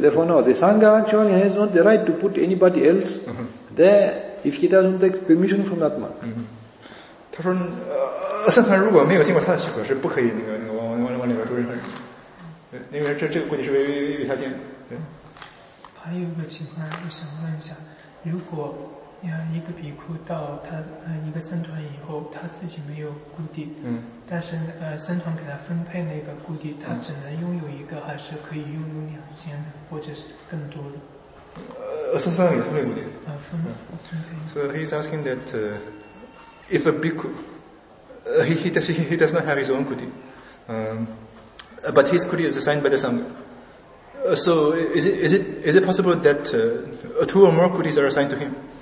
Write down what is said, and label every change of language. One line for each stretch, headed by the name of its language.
English: Therefore, no, the Sangha actually has not the right to put anybody else there if he doesn't take permission from that man. He said, Sangha, if he doesn't have his kuti, he can't go inside. Because this kuti is for him. There is another situation I want to ask.
Chinese: 如果一个比库到他一个僧团以后，他自己没有故地，但是僧团给他分配那个故地，他只能拥有一个，还是可以拥有两间的，或者是更多的？僧团也分配故地。分配。
English: So he's asking that if a bhikkhu he does not have his own kuti, but his kuti is assigned by the sangha. So is it possible that two or more kutis are assigned to him?